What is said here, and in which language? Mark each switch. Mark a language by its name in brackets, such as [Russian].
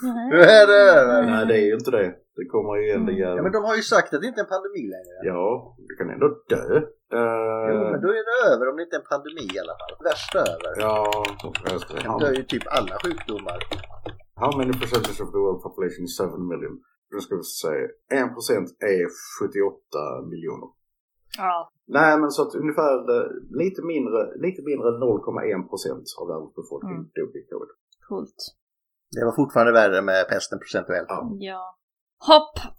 [Swedish] Hur är det? Mm. Nej, det är ju inte det. Det kommer ju ändå göra. Ja, men de har ju sagt att det inte är en pandemi längre. Ja, det kan ändå dö. Jo, men då är det över om det inte är en pandemi i alla fall. Värsta över. Ja, värsta. Det dör ju typ alla sjukdomar. [English] How many percentage of the world population is 7 million? [Swedish] Då ska vi säga 1% är 78 miljoner. Ja. Nej, men så att ungefär lite mindre än 0,1% av världens befolkning dog i covid. Coolt. Det var fortfarande värre med pesten procentuellt. Ja. Hopp!